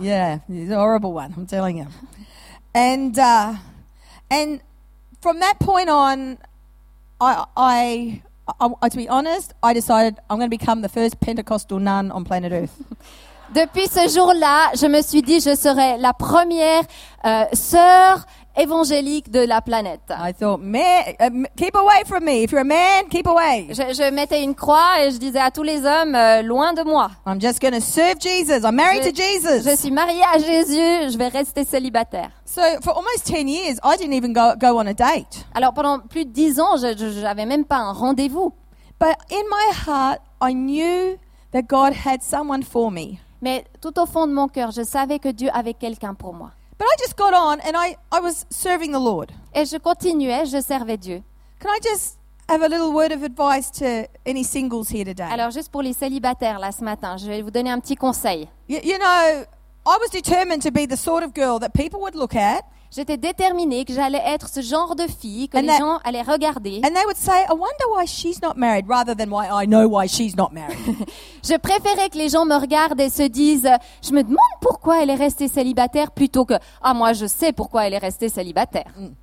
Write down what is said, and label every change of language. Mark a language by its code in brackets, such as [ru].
[en] Yeah, it's a horrible one, I'm telling you. And from that point on, I to be honest, I decided I'm going to become the first Pentecostal nun on planet Earth. [fr] Depuis ce jour-là, je me suis dit je serai la première sœur évangélique de la planète. [en] I thought, keep away from me. If you're a man, keep away. [fr] Je mettais une croix et je disais à tous les hommes, loin de moi. [en] I'm just going to serve Jesus. I'm married to Jesus. [fr] Je suis mariée à Jésus. Je vais rester célibataire. [en] So for almost 10 years, I didn't even go on a date. [fr] Alors pendant plus de 10 ans, je n'avais même pas un rendez-vous. [en] But in my heart, I knew that God had someone for me. [fr] Mais tout au fond de mon cœur, je savais que Dieu avait quelqu'un pour moi. [en] But I just got on and I was serving the Lord. [fr] Et je continuais, je servais Dieu. [en] Can I just have a little word of advice to any singles here today? [fr] Alors juste pour les célibataires là ce matin, je vais vous donner un petit conseil. [en] You know, I was determined to be the sort of girl that people would look at. [fr] J'étais déterminée que j'allais être ce genre de fille que les gens allaient regarder. [en] And they would say, I wonder why she's not married, rather than why I know why she's not married. [fr] Je préférais que les gens me regardent et se disent, je me demande pourquoi elle est restée célibataire, plutôt que, ah moi je sais pourquoi elle est restée célibataire.